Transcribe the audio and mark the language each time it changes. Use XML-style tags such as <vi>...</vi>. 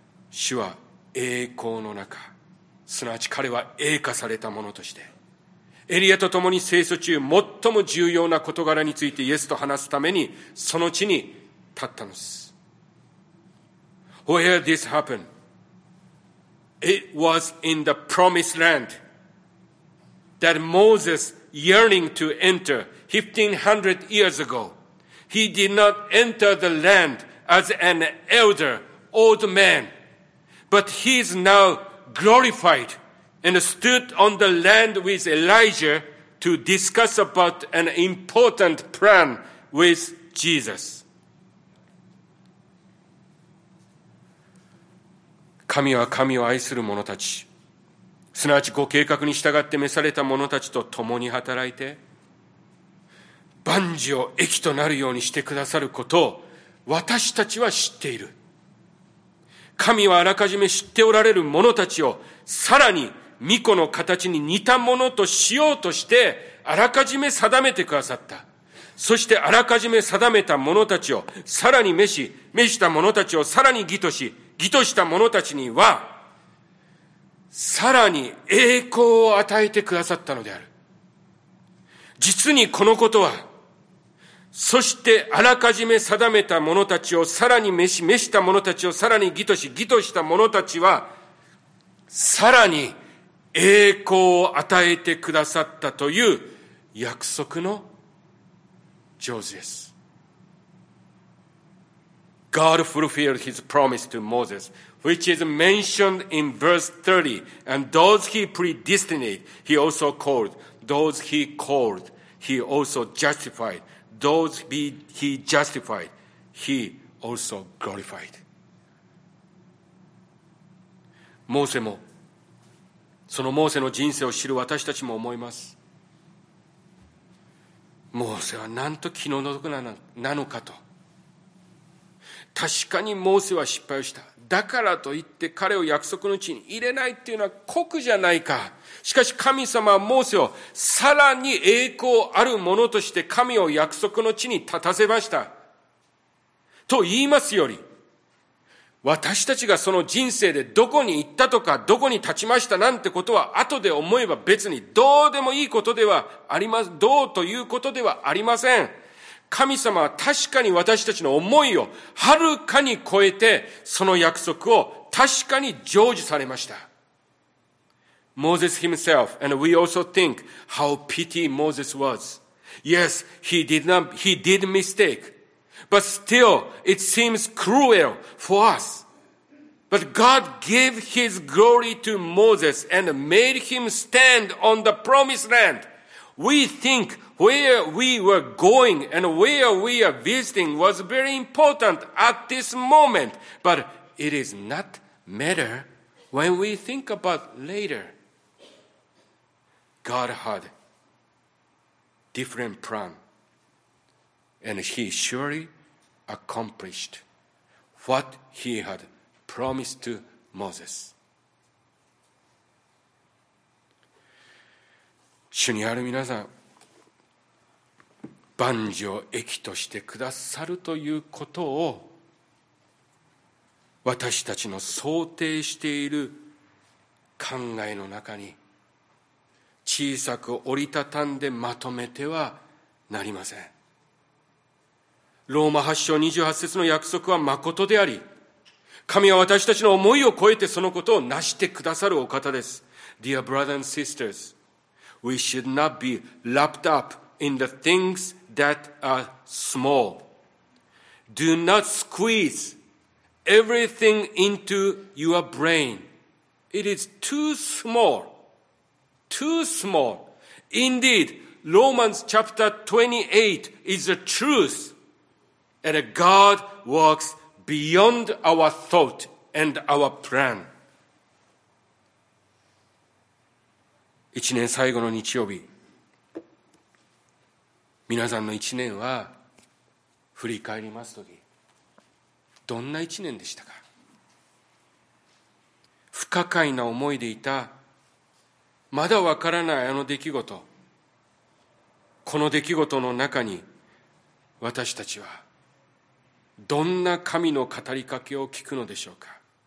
<ja>主は栄光の中、すなわち彼は栄化されたものとしてエリアと共に聖書中最も重要な事柄についてイエスと話すためにその地に立ったのです。</ja> <en>Where this happened? It was in the promised land that Moses yearning to enter 1500 years ago. He did not enter the land as an elder, old man, but he is now glorified. And stood on the land with Elijah to discuss about an important plan with Jesus.</en> <ja>神は神を愛する者たち、すなわちご計画に従って召された者たちと共に働いて、万事を益となるようにしてくださることを私たちは知っている。神はあらかじめ知っておられる者たちをさらに巫女の形に似たものとしようとしてあらかじめ定めてくださった。そしてあらかじめ定めた者たちをさらに召し、召した者たちをさらに義とし、義とした者たちにはさらに栄光を与えてくださったのである。実にこのことは、そしてあらかじめ定めた者たちをさらに召し、召した者たちをさらに義とし、義とした者たちはさらに栄光を与えてくださったという約束の成就です。</ja> <en>God fulfilled his promise to Moses, which is mentioned in verse 30, and those he predestinated, he also called, those he called, he also justified, those he justified, he also glorified.</en> <ja>モーセもそのモーセの人生を知る私たちも思います。モーセはなんと気の毒なのかと。確かにモーセは失敗をした。だからといって彼を約束の地に入れないっていうのは酷じゃないか。しかし神様はモーセをさらに栄光あるものとして神を約束の地に立たせました。と言いますより、私たちがその人生でどこに行ったとか、どこに立ちましたなんてことは、後で思えば別にどうでもいいことではあります、どうということではありません。神様は確かに私たちの思いをはるかに超えて、その約束を確かに成就されました。</ja> <en>Moses himself, and we also think how pity Moses was. Yes, he did miss mistake. But still, it seems cruel for us. But God gave his glory to Moses and made him stand on the promised land. We think where we were going and where we are visiting was very important at this moment. But it is not matter when we think about later. God had different plan, and he surely accomplished what he had promised to Moses.</en> <ja>主にある皆さん、万事を益としてくださるということを私たちの想定している考えの中に小さく折りたたんでまとめてはなりません。ローマ8章28節の約束は誠であり、神は私たちの思いを超えてそのことを成してくださるお方です。</ja> <en>Dear brothers and sisters, we should not be wrapped up in the things that are small. Do not squeeze everything into your brain. It is too small. Too small. Indeed, Romans chapter 28 is the truth. And God works beyond our thought and our plan.</en> <ja>一年最後の日曜日、皆さんの一年は振り返りますとき、どんな一年でしたか。不可解な思いでいた、まだわからないあの出来事、この出来事の中に私たちはどんな神の語りかけを聞くのでしょうか。</ja>